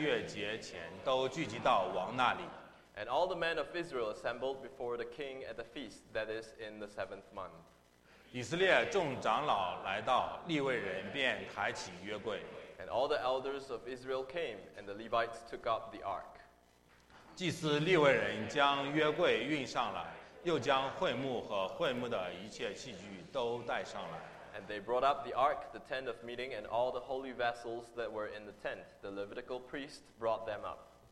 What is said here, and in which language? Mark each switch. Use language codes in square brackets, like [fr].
[zh] 于是以色列众人在七月节前都聚集到王那里。 [en] And all the men of Israel assembled before the king at the feast that is in the seventh month. [zh] 以色列众长老来到，利未人便抬起约柜。 [en] And all the elders of Israel came, and the Levites took up the ark. [zh] 祭司利未人将约柜运上来，又将会幕和会幕的一切器具都带上来。 [en] And they brought up the ark, the tent of meeting, and all the holy vessels that were in the tent. The Levitical priest brought them up.